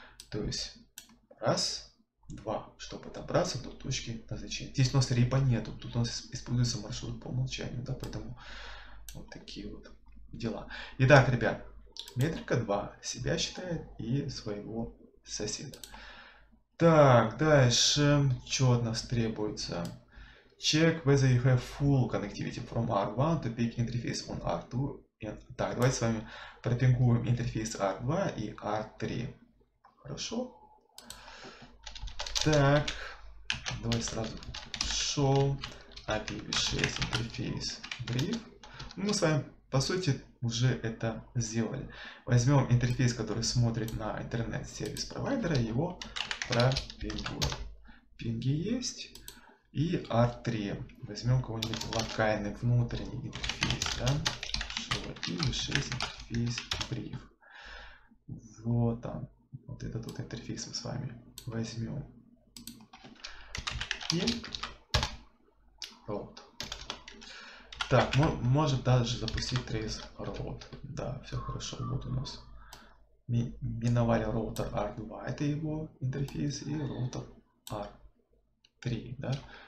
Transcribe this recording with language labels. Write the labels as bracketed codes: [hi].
[ru] То есть раз, два, чтобы добраться до точки назначения. Здесь у нас RIP нету, тут у нас используется маршрут по умолчанию, да, поэтому вот такие вот дела. Итак, ребят, метрика 2. Себя считает и своего соседа. Так, дальше. Что от нас требуется? [en] Check whether you have full connectivity from R1 to pick interface on R2. [ru] Так, давайте с вами пропингуем интерфейс R2 и R3. Хорошо. Так, давай сразу show IPv6 interface brief. Мы с вами, по сути, уже это сделали. Возьмем интерфейс, который смотрит на интернет-сервис провайдера, его пропингуем. Пинги есть. И R3. Возьмем кого-нибудь локальный внутренний интерфейс. Да? IPv6 интерфейс brief. Вот он. Вот этот вот интерфейс мы с вами возьмем. Пинг. Вот. Так, мы можем даже запустить трейс роут. Да, все хорошо. Вот у нас миновали роутер R2, это его интерфейс, и роутер R3, да?